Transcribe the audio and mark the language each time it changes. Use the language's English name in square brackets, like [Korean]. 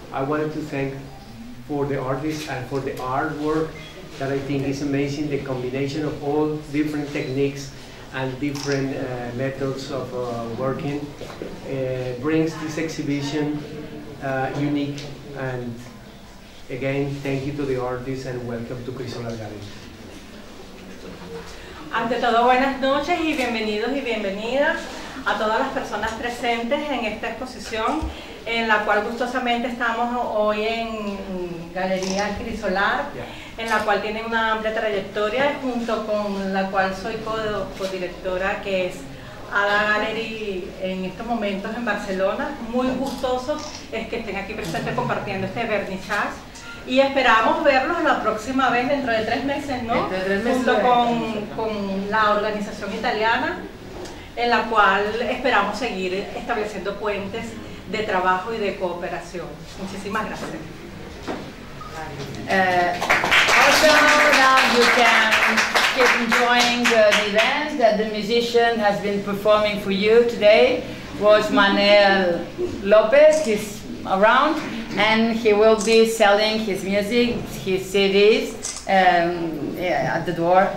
[English] I wanted to thank for the artists and for the artwork that I think is amazing, the combination of all different techniques and different methods of working brings this exhibition unique. And again, thank you to the artists and welcome to Chrysolar Gallery. [Spanish] Ante todo, buenas noches y bienvenidos y bienvenidas a todas las personas presentes en esta exposición en la cual gustosamente estamos hoy en Galería Chrysolar, en la cual tiene una amplia trayectoria junto con la cual soy codirectora, que es Ada Gallery en estos momentos en Barcelona. Muy gustosos es que estén aquí presentes compartiendo este vernissage. Y esperamos verlos la próxima vez dentro de tres meses, ¿no? Dentro de tres meses. Junto con la organización italiana, en la cual esperamos seguir estableciendo puentes de trabajo y de cooperación. Muchísimas gracias. [English] Also, now you can keep enjoying the event that the musician has been performing for you today. Was Manuel López, he's around. And he will be selling his music, his CDs at the door.